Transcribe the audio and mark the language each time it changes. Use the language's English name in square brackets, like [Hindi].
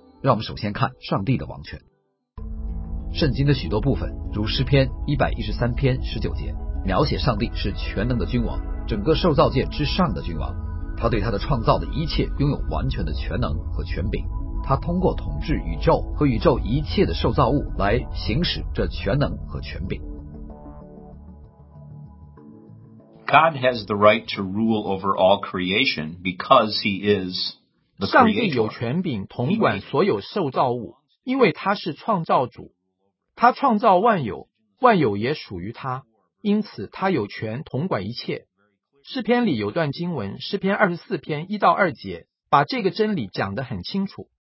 [Chinese] 让我们首先看上帝的王权。圣经的许多部分如诗篇113篇19节描写上帝是全能的君王，整个受造界之上的君王，他对他的创造的一切拥有完全的全能和权柄，他通过统治宇宙和宇宙一切的受造物来行使这全能和权柄。 [English] God has the right to rule over all creation because he is the creator. [Chinese] 上帝有权柄统管所有受造物，因为他是创造主，他创造万有，万有也属于他，因此他有权统管一切。诗篇里有段经文，诗篇24篇1到2节，把这个真理讲得很清楚。